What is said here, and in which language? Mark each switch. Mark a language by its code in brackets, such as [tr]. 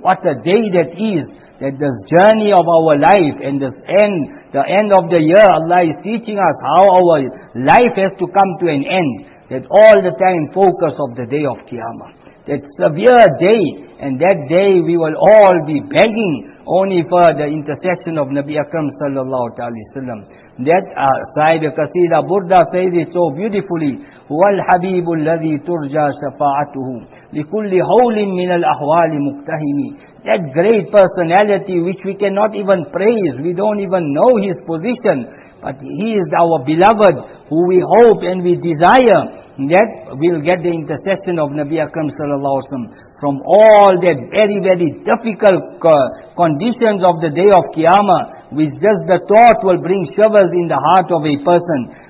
[en] What a day that is, that this journey of our life and this end, the end of the year, Allah is teaching us how our life has to come to an end. That all the time focus of the day of Qiyamah. That severe day, and that day we will all be begging only for the intercession of Nabi Akram sallallahu alayhi wa sallam. That Sahib Qasida Burda says it so beautifully, [ar] هو الحبيب الذي ترجى شفاعته لكل هول من الأحوال مكتهني. [en] That great personality which we cannot even praise, we don't even know his position, but he is our beloved who we hope and we desire that we'll get the intercession of Nabi Akram sallallahu alayhi wa sallam from all that very, very difficult conditions of the day of Qiyamah, which just the thought will bring shivers in the heart of a person.